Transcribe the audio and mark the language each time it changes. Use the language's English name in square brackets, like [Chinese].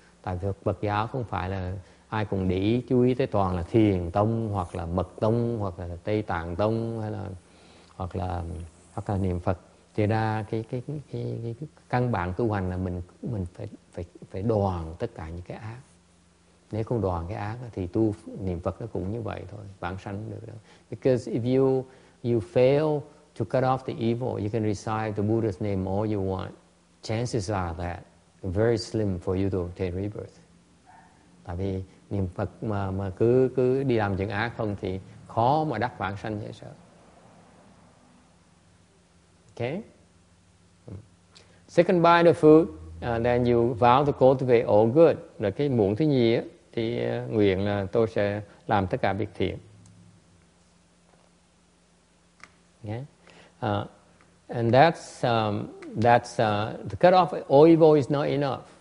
[Vietnamese] Tại vì Phật giáo không phải là ai cũng để ý chú ý tới toàn là thiền tông hoặc là mật tông hoặc là Tây Tạng tông hoặc là niệm Phật. Thì ra cái căn bản tu hành là mình phải đoạn tất cả những cái ác. Nếu không đoạn cái ác thì tu niệm Phật nó cũng như vậy thôi, vãng sanh được đâu. [English] Because if you fail to cut off the evil, you can recite the Buddha's name all you want. Chances are that very slim for you to obtain rebirth. [Vietnamese] Tại vì niệm Phật mà cứ đi làm chuyện ác không thì khó mà đắc vãng sanh dễ sợ. [English] Okay. Second bite of food, then you vow to cultivate all good. [Vietnamese] Là cái muỗng thứ nhì á, thì nguyện là tôi sẽ làm tất cả việc thiện. [English] Yeah. And that's to cut off all evil is not enough.